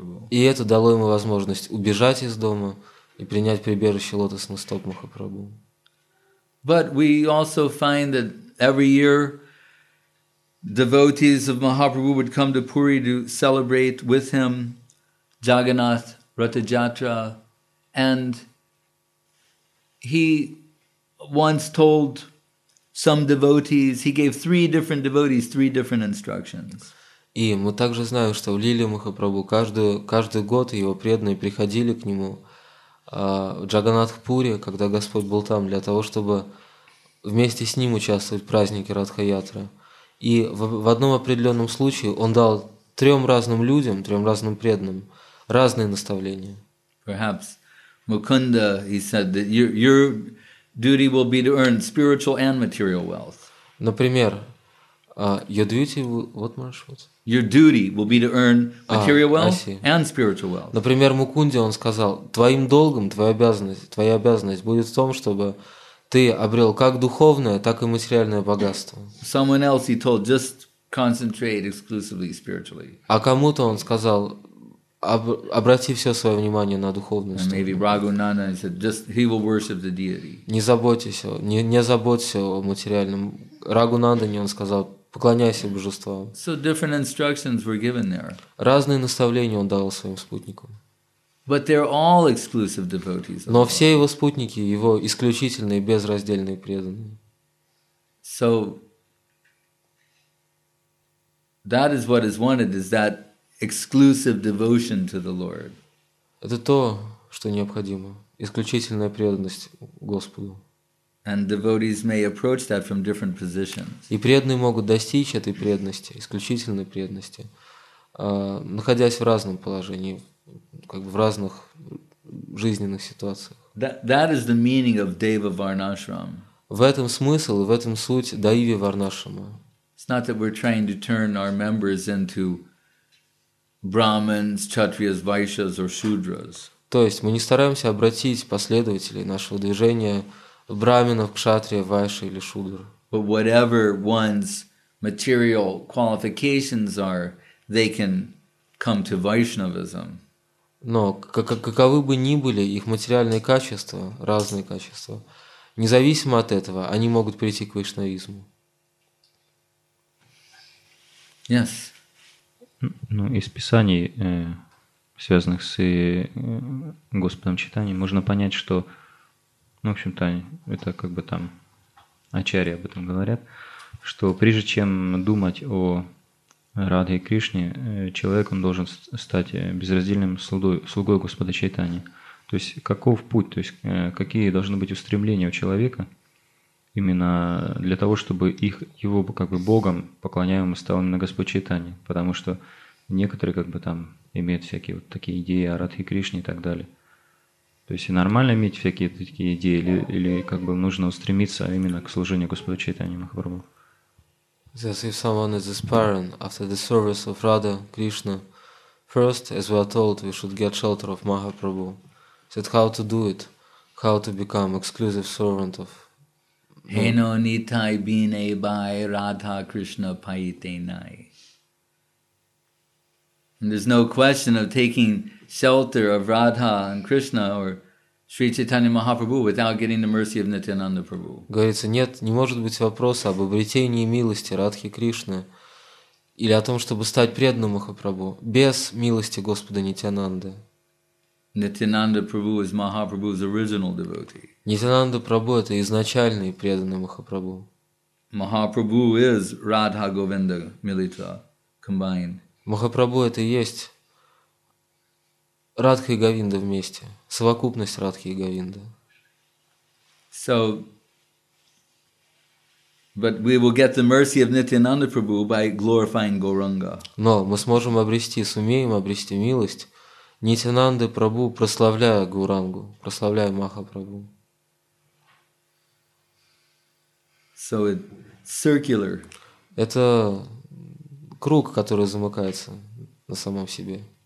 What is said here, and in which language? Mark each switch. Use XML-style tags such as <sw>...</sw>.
<ru>И это дало ему возможность убежать из дома и принять прибежище лотосных стоп Махапрабху.</ru> <en>But we also find that every year, devotees of Mahaprabhu would come to Puri to celebrate with him Jagannath Rata Jatra. And he once told some devotees, he gave three different devotees three different instructions.</en> <ru>И мы также знаем, что в Лиле Махапрабху каждый год его преданные приходили к нему в Джаганнатхпуре, когда Господь был там, для того, чтобы вместе с ним участвовать в празднике Радха-ятры. И в одном определенном случае он дал трем разным людям, трем разным преданным, разные наставления.</ru> <en>Perhaps Mukunda, he said that your duty will be to earn spiritual and material wealth.</en> <ru>Например,</ru> <en>your duty, what Marsh, what? Your duty will be to earn material wealth and spiritual wealth.</en> <ru>Например, Мукунде он сказал, твоим долгом, твоя обязанность будет в том, чтобы ты обрел как духовное, так и материальное богатство.</ru> <en>Someone else he told just concentrate exclusively spiritually.</en> <ru>А кому-то он сказал, обрати все свое внимание на духовную сторону.</ru> <en>Maybe Raghunanda said just he will worship the deity.</en> <ru>Не заботься о материальном. Рагунандане он сказал, поклоняйся божествам.</ru> <en>So different instructions were given there.</en> <ru>Разные наставления он дал своим спутникам.</ru> <en>But they're all exclusive devotees.</en> <ru>Но все его спутники его исключительные, безраздельные преданные.</ru> <en>So that is what is wanted, is that exclusive devotion to the Lord.</en> <ru>Это то, что необходимо, исключительная преданность Господу.</ru> <en>And devotees may approach that from different positions.</en> <ru>И преданные могут достичь этой преданности, исключительной преданности, находясь в разном положении, как бы в разных жизненных ситуациях.</ru> <en>That is the meaning of Deva Varnashram.</en> <ru>В этом смысл, в этом суть Даиви Варнашрама.</ru> <en>It's not that we're trying to turn our members into Brahmins, Kshatriyas, Vaishyas or Shudras.</en> <ru>То есть мы не стараемся обратить последователей нашего движения брахманов, кшатрия, вайши или шудр.</ru> <en>But whatever one's material qualifications are, they can come to Vaishnavism.</en> <ru>Но каковы бы ни были их материальные качества, разные качества, независимо от этого, они могут прийти к вайшнавизму.</ru> <en>Yes.</en> <ru>Ну, из писаний, связанных с Господом Чайтаньей, можно понять, что ну, в общем-то, это как бы там ачарьи об этом говорят, что прежде чем думать о Радхе и Кришне, человек он должен стать безраздельным слугой Господа Чайтани. То есть каков путь, то есть какие должны быть устремления у человека именно для того, чтобы их, его как бы Богом поклоняемым стал именно Господь Чайтани. Потому что некоторые как бы там имеют всякие вот такие идеи о Радхе и Кришне и так далее. То есть нормально иметь всякие такие идеи или как бы нужно устремиться именно к служению Господу Чайтани Махапрабху?</ru> <en>Yes, if someone is aspiring after the service of Radha Krishna, first, as we are told, we should get shelter of Mahaprabhu. Said how to do it, how to become exclusive servant of.</en> <bn>Heno nitai bine bai Radha Krishna paite nai.</bn> <en>And there's no question of taking shelter of Radha and Krishna or Sri Chaitanya Mahaprabhu without getting the mercy of Nityananda Prabhu.</en> <ru>Говорится, нет, не может быть вопроса об обретении милости Радхи Кришны или о том, чтобы стать преданным Махапрабху без милости Господа Нитянанды.</ru> <en>Nityananda Prabhu is Mahaprabhu's original devotee.</en> <ru>Nityananda Prabhu это изначальный преданный Махапрабху.</ru> <en>Mahaprabhu is Radha Govinda Milita combined.</en> <ru>Махапрабху это и есть Радха и Говинда вместе, совокупность Радхи и Говинды.</ru> <en>So, But we will get the mercy of Nityananda Prabhu by glorifying Gauranga.</en> <ru>Но мы сможем обрести, сумеем обрести милость Нитянанды Прабху, прославляя Гаурангу, прославляя Махапрабху.</ru> <en>So it circular.</en> <ru>Это круг, который замыкается на самом себе.</ru>